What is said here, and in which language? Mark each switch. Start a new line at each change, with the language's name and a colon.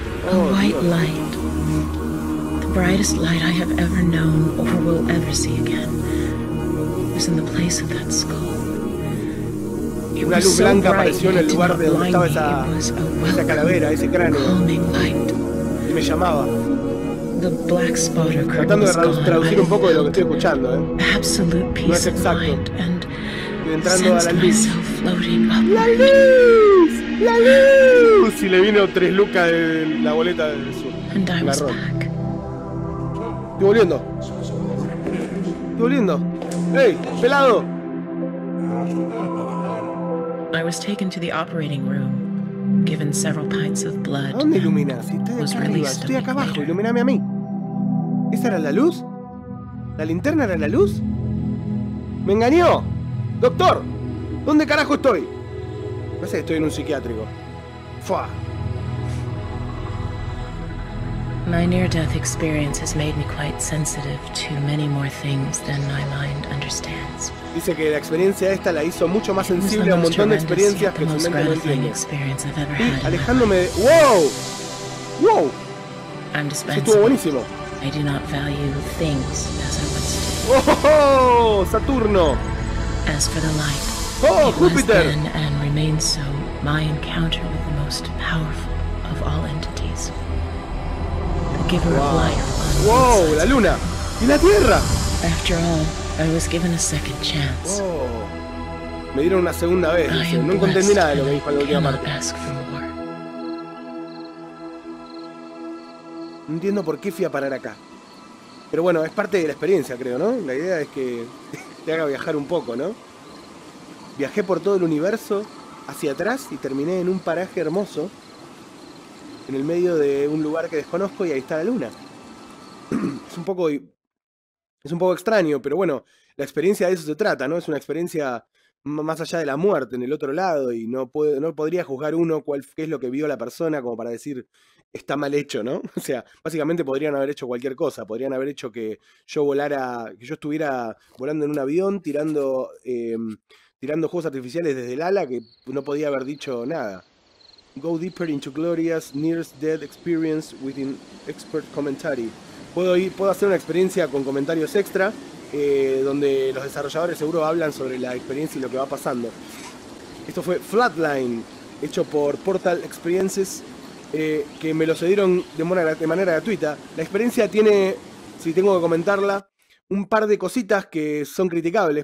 English: A white light. The brightest light I have ever known or will ever see again was in the place of that skull. It was so bright it didn't blind me. It was a welcome,
Spanish: calavera, ese cráneo,
English: calming light.
Spanish: Y me llamaba.
English: The black spotter curtain.
Spanish: Tratando de traducir un poco de lo que estoy escuchando, ¿eh?
English: Absolute peace.
Spanish: No es exacto.
English: Mind, and
Spanish: entrando a la luz.
English: Floating up.
Spanish: ¡La luz! ¡La luz! Y le vino tres lucas de la boleta del sur. La roja. Estoy volviendo. Estoy volviendo. ¡Ey! ¡Pelado!
English: I was taken to the operating room. Given several pints of blood.
Spanish: ¿Dónde iluminas? Estoy acá arriba, estoy acá abajo. Ilumíname a mí. ¿Esa era la luz? ¿La linterna era la luz? ¡Me engañó! ¡Doctor! ¿Dónde carajo estoy? Parece que estoy en un psiquiátrico. ¡Fua!
English: My near-death experience has made me quite sensitive to many more things than my mind understands.
Spanish: Dice que la experiencia esta la hizo mucho más sensible a un montón de experiencias que su mente no entiende. Y alejándome de... ¡Wow! ¡Wow! Eso estuvo buenísimo.
English: I do not value things as I once did.
Spanish: ¡Oh! ¡Saturno!
English: As for the light,
Spanish: ¡oh! ¡Júpiter!
English: Was then and remains so my encounter with the most powerful of all entities.
Spanish: Wow. Wow, la luna y la tierra.
English: After all, I was given a second chance.
Spanish: Me dieron una segunda vez. No entendí nada de lo que dijo la última parte. No entiendo por qué fui a parar acá. Pero bueno, es parte de la experiencia, creo, ¿no? La idea es que te haga viajar un poco, ¿no? Viajé por todo el universo hacia atrás y terminé en un paraje hermoso. En el medio de un lugar que desconozco y ahí está la luna. Es un poco extraño, pero bueno, la experiencia de eso se trata, ¿no? Es una experiencia más allá de la muerte, en el otro lado, y no podría juzgar uno qué es lo que vio la persona como para decir está mal hecho, ¿no? O sea, básicamente podrían haber hecho cualquier cosa, podrían haber hecho que yo volara, que yo estuviera volando en un avión tirando juegos artificiales desde el ala, que no podía haber dicho nada.
English: Go deeper into Gloria's near-death experience with an expert commentary.
Spanish: Puedo hacer una experiencia con comentarios extra, donde los desarrolladores seguro hablan sobre la experiencia y lo que va pasando. Esto fue Flatline, hecho por Portal Experiences, que me lo cedieron de manera gratuita. La experiencia tiene, si tengo que comentarla, un par de cositas que son criticables.